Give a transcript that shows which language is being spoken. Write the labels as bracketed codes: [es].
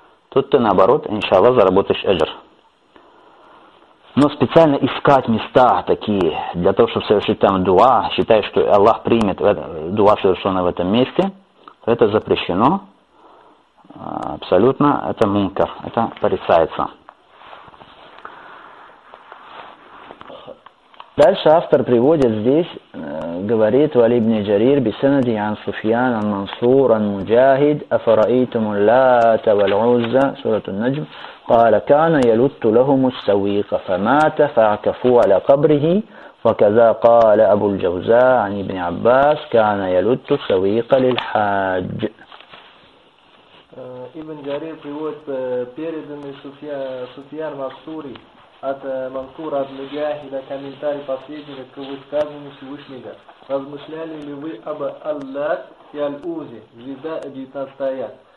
[ru] Тут ты наоборот, иншаллах, заработаешь эджр. Но специально искать места такие, для того, чтобы совершить там дуа, считая, что Аллах примет дуа, совершенное в этом месте, это запрещено абсолютно, это мункар, это порицается. Дальше автор приводит здесь, говорит Вали ибн Джарир, бисанади ан Суфьян ан Мансур ан Муджахид, афараитуму Лата валь Узза, сурату ан-Наджм. [ar] قال كان يلت لهم السويق فمات فاعكفوا على قبره وكذا قال أبو الجوزاء عن ابن عباس كان يلت السويق للحاج. [ru] Ибн Джарир приводит переданный Суфьян Мансури от Мансура аль-Муджахида комментарий последнего к высказыванию Всевышнего. Размышляли ли вы об Аллат и Аль-Узе, звезда 19 аят?